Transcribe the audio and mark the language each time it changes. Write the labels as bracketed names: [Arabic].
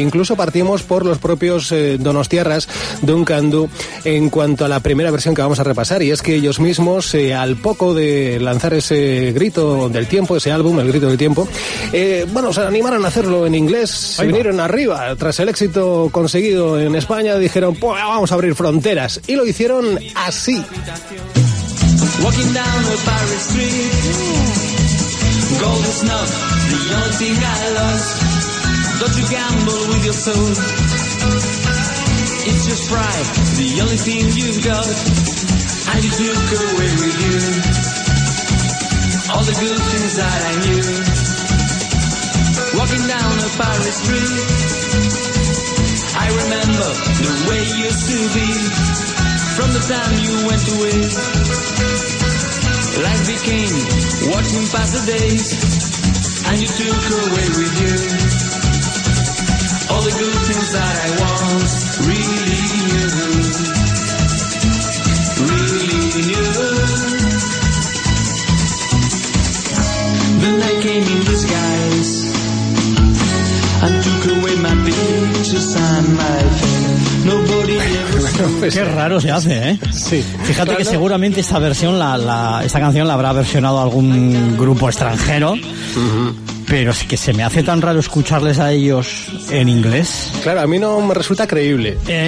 [Spanish] Incluso partimos por los propios donostiarras de Duncan Du en cuanto a la primera versión que vamos a repasar, y es que ellos mismos al poco de lanzar ese Grito del Tiempo, ese álbum, El Grito del Tiempo, bueno, se animaron a hacerlo en inglés, se vinieron arriba tras el éxito conseguido en España, dijeron, pues vamos a abrir fronteras, y lo hicieron así. [English] Walking down the Paris street, gold is not the only thing I lost. Don't you gamble with your soul. It's just pride, the only thing you've got. And you took away with you all the good things that I knew. Walking down a Paris street, I remember the way you used to be. From the time you went away, life became watching past the days. And you took away with you all the good things that I want. Really knew, really knew. Then I came in disguise and took away my pictures and my fame. Nobody ever. [Spanish] Qué raro se hace, ¿eh? Sí. Fíjate que seguramente esta versión, esta canción la habrá versionado algún grupo extranjero. Pero es que se me hace tan raro escucharles a ellos en inglés. Claro, a mí no me resulta creíble.